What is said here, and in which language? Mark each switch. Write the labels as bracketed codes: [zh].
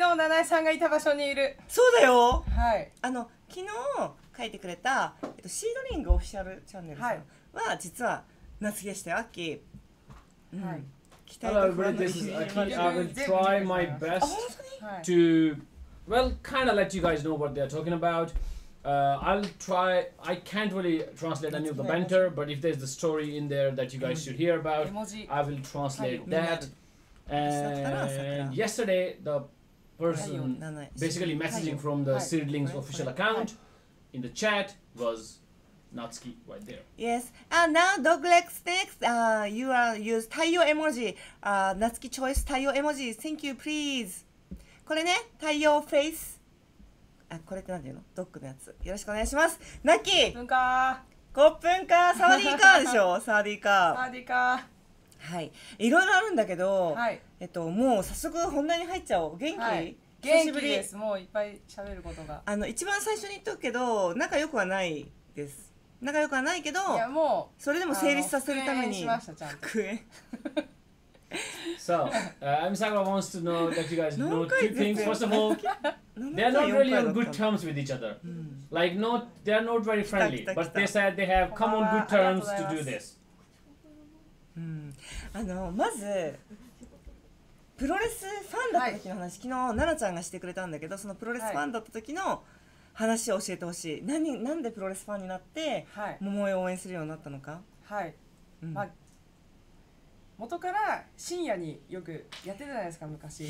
[ja] 昨日七井さんがいた場所にいる。そうだよ、はい、あの昨日書いてくれた、シードリングオフィシャルチャンネルさんは、はい、実はなつきでしたよ、アッキー。はい、うん、 [en] Hello, well, this is Aki. I will try my best to, well, kind of let you guys know what they are talking about. I'll try, I can't really translate any of the banter, but if there's the story in there that you guys should hear about, I will translate that. And yesterday, the person basically messaging from the Seedlings official account in the chat was... Natsuki right there. Yes. And now dogleg sticks. You are use 太陽 emoji. Natsuki choice 太陽 emoji. Thank you, please. [ja] これね、 [en] 太陽 face。 [ja] あ、これってなんていうの？ドッグのやつ。よろしくお願いします。ナッキー。分か。五分か。サーディーカーでしょ？サーディーカー。サーディーカー。はい。いろいろあるんだけど。はい。もう早速本題に入っちゃおう。元気？はい、元気です。もういっぱい喋ることが。一番最初に言っとくけど、仲良くはないです。仲良くはないけど、いやもうそれでも成立させるために復縁しました、ちゃんと復縁。 [en] So, Ami Sakura wants to know that you guys know two things. First of all, they are not really on good terms with each other. Like, not, they are not very friendly. But they said they have come on good terms to do this. [ja] まず、プロレスファンだった時の話、昨日奈良ちゃんがしてくれたんだけど、そのプロレスファンだった時の話を教えてほしい。なんでプロレスファンになって、はい、桃井を応援するようになったのか。はい、うん、まあ、元から深夜によくやってたじゃないですか、昔。